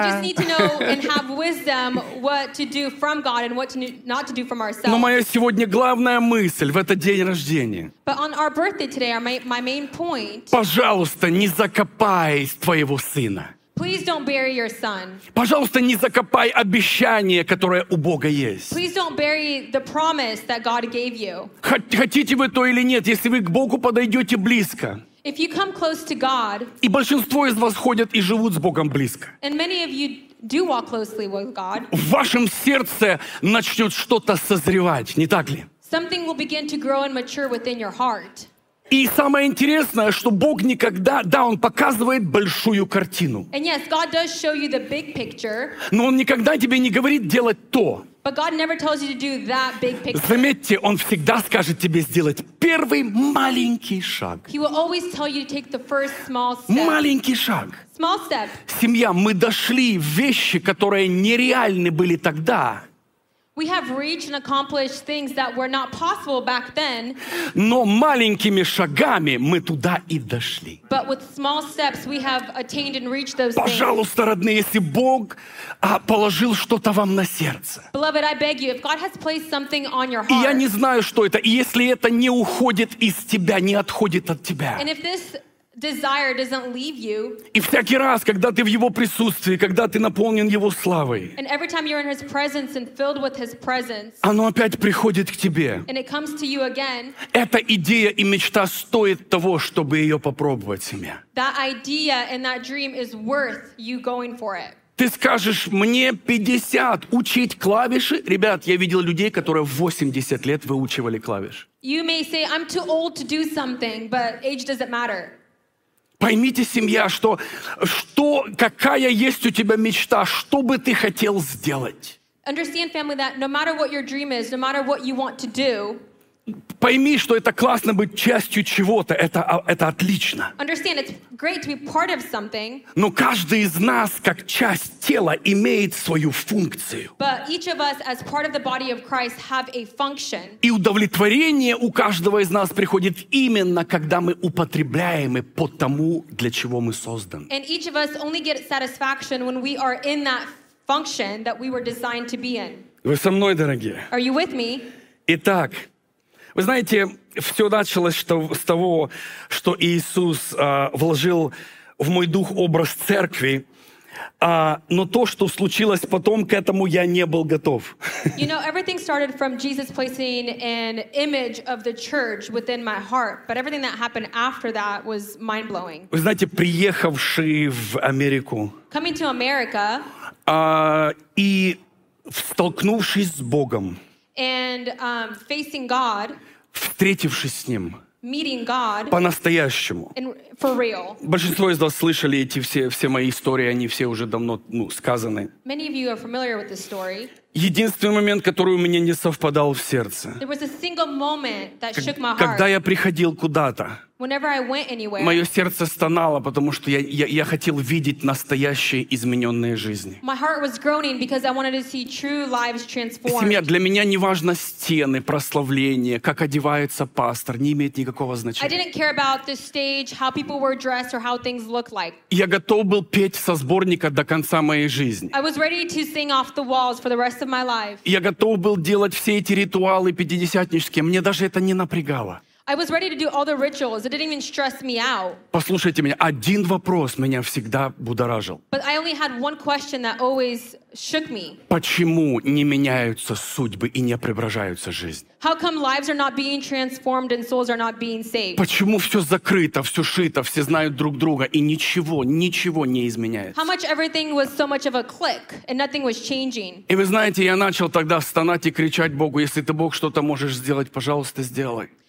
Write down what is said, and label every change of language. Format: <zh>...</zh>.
<en>We just need to know and have wisdom what to do from God and what to not to do from ourselves.</en> <ru>Но моя сегодня главная мысль в этот день рождения.</ru> <en>But on our birthday today, my main point.</en> <ru>Пожалуйста, не закопай твоего сына.</ru> <en>Please don't bury your son.</en> <ru>Пожалуйста, не закопай обещание, которое у Бога есть.</ru> <en>Please don't bury the promise that God gave you.</en> <ru>Хотите вы то или нет, если вы к Богу подойдете близко.</ru> <en>If you come close to God.</en> <ru>И большинство из вас ходят и живут с Богом близко.</ru> <en>And many of you do walk closely with God.</en> <ru>В вашем сердце начнет что-то созревать, не так ли?</ru> <en>Something will begin to grow and mature within your heart.</en> <ru>И самое интересное, что Бог никогда, да, Он показывает большую картину.</ru> <en>And yes, God does show you the big picture.</en> <ru>Но Он никогда тебе не говорит делать то.</ru> <en>But God never tells you to do that big picture.</en> <ru>Заметьте, Он всегда скажет тебе сделать первый маленький шаг.</ru> <en>He will always tell you to take the first small step.</en> <ru>Маленький шаг.</ru> <en>Small step.</en> <ru>Семья, мы дошли в вещи, которые нереальны были тогда.</ru> <en>We have reached and accomplished things that were not possible back then.</en> <ru>Но маленькими шагами мы туда и дошли.</ru> <en>But with small steps we have attained and reached those things.</en> <ru>Пожалуйста, родные, если Бог положил что-то вам на сердце.</ru> <en>Beloved, I beg you, if God has placed something on your heart.</en> <ru>И я не знаю, что это, и если это не уходит из тебя, не отходит от тебя.</ru> <en>And if this desire doesn't leave you.</en> <ru>И всякий раз, когда ты в его присутствии, когда ты наполнен его славой,</ru> <en>and every time you're in his presence and filled with his presence,</en> <ru>оно опять приходит к тебе.</ru> <en>And it comes to you again.</en> <ru>Эта идея и мечта стоит того, чтобы ее попробовать себе.</ru> <en>That idea and that dream is worth you going for it.</en> <ru>Ты скажешь, мне 50, учить клавиши? Ребят, я видел людей, которые 80 лет выучивали клавиши.</ru> <en>You may say, I'm too old to do something, but age doesn't matter.</en> <ru>Поймите, семья, что какая есть у тебя мечта, что бы ты хотел сделать?</ru> <en>Understand, family, that no matter what your dream is, no matter what you want to do,</en> <ru>пойми, что это классно быть частью чего-то, это отлично.</ru> <en>Understand, it's great to be part of something.</en> <ru>Но каждый из нас, как часть тела, имеет свою функцию.</ru> <en>But each of us, as part of the body of Christ, have a function.</en> <ru>И удовлетворение у каждого из нас приходит именно, когда мы употребляем и по тому, для чего мы созданы.</ru> <en>And each of us only get satisfaction when we are in that function that we were designed to be in.</en> <ru>Вы со мной, дорогие?</ru> <en>Are you with me?</en> <ru>Итак, вы знаете, все началось с того, что Иисус вложил в мой дух образ церкви, но то, что случилось потом, к этому я не был готов.</ru> <en>You know, everything started from Jesus placing an image of the church within my heart, but everything that happened after that was mind-blowing.</en> <ru>Вы знаете, приехавший в Америку,</ru> <en>coming to America,</en> <ru>и столкнувшись с Богом,</ru> <en>and facing God,</en> <ru>встретившись с Ним,</ru> <en>meeting God,</en> <ru>по-настоящему.</ru> <en>And for real.</en> <ru>Большинство из вас слышали эти все мои истории, они все уже давно сказаны.</ru> <en>Many of you are familiar with this story.</en> <ru>Единственный момент, который у меня не совпадал в сердце,</ru> <en>there was a single moment that shook my heart.</en> <ru>Когда я приходил куда-то,</ru> <en>whenever I went anywhere,</en> <ru>мое сердце стонало, потому что я хотел видеть настоящие измененные жизни.</ru> <en>My heart was groaning because I wanted to see true lives transformed.</en> <ru>Семья, для меня не важно стены, прославление, как одевается пастор, не имеет никакого значения.</ru> <en>I didn't care about the stage, how people were dressed, or how things looked like.</en> <ru>Я готов был петь со сборника до конца моей жизни.</ru> <en>I was ready to sing off the walls for the rest of my life.</en> <ru>Я готов был делать все эти ритуалы пятидесятнические, мне даже это не напрягало.</ru> <en>I was ready to do all the rituals. It didn't even stress me out.</en> <ru>Послушайте меня, один вопрос меня всегда будоражил.</ru> <en>But I only had one question that always shook me.</en> <ru>Почему не меняются судьбы и не преображаются жизни?</ru> <en>How come lives are not being transformed and souls are not being saved?</en> <ru>Почему все закрыто, все шито, все знают друг друга и ничего не изменяется?</ru> <en>How much everything was so much of a click and nothing was changing?</en> <ru>И вы знаете, я начал тогда стонать и кричать Богу, если ты, Бог, что-то можешь сделать, пожалуйста, сделай.</ru>